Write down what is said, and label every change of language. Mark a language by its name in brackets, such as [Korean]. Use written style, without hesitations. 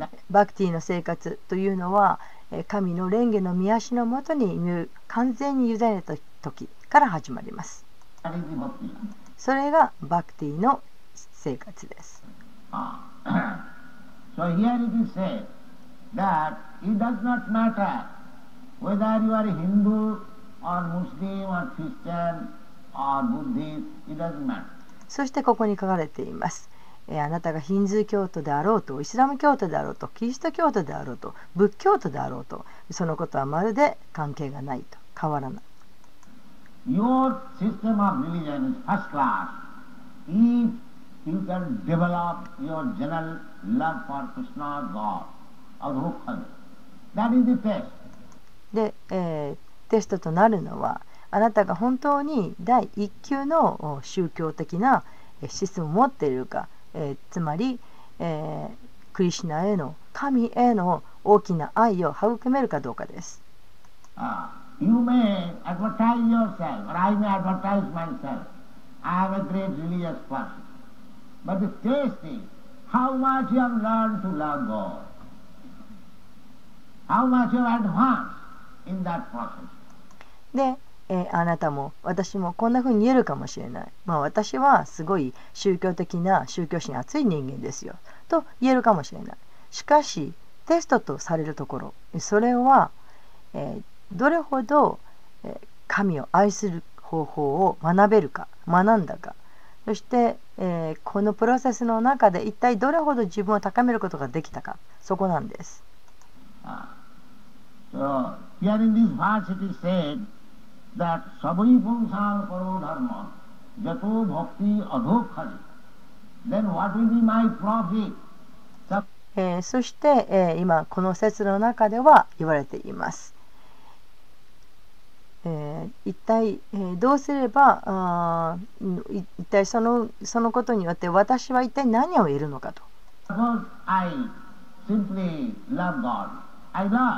[Japanese] バクティの生活というのは、神の蓮華の御足のもとに完全に委ねた時から始まります。それがバクティの生活です。 [English] So here it is said that it does not matter whether you are Hindu or Muslim or Christian or Buddhist, it doesn't matter. [Japanese] そしてここに書かれています。あなたがヒンズー教徒であろうと、イスラム教徒であろうと、キリスト教徒であろうと、仏教徒であろうと、そのことはまるで関係がないと、変わらない。 [English] Your system of religion is first class. If you can develop your general love for Krishna God. That is the test. [Japanese] で、テストとなるのはあなたが本当に第一級の宗教的な思想を持っているか、つまり、クリシナへの神への大きな愛を育めるかどうかです。 [English] You may advertise yourself or I may advertise myself. I am a great religious person. But the test is how much you have learned to love God. How much you advance in that process? [Japanese] で、あなたも私もこんなふうに言えるかもしれない。まあ私はすごい宗教的な宗教心熱い人間ですよと言えるかもしれない。しかしテストとされるところ、それは、どれほど、神を愛する方法を学べるか学んだか、そして、このプロセスの中で一体どれほど自分を高めることができたか、そこなんです。 [English] So here in this verse it is said that [Sanskrit] sabhi punsan karo dharma jato bhakti adho khaj [English] then what will be my profit? [Japanese] そして、今この説の中では言われています。一体、どうすれば、一体そのことによって私は一体何を得るのかと。 [English] Suppose I simply love God. I love.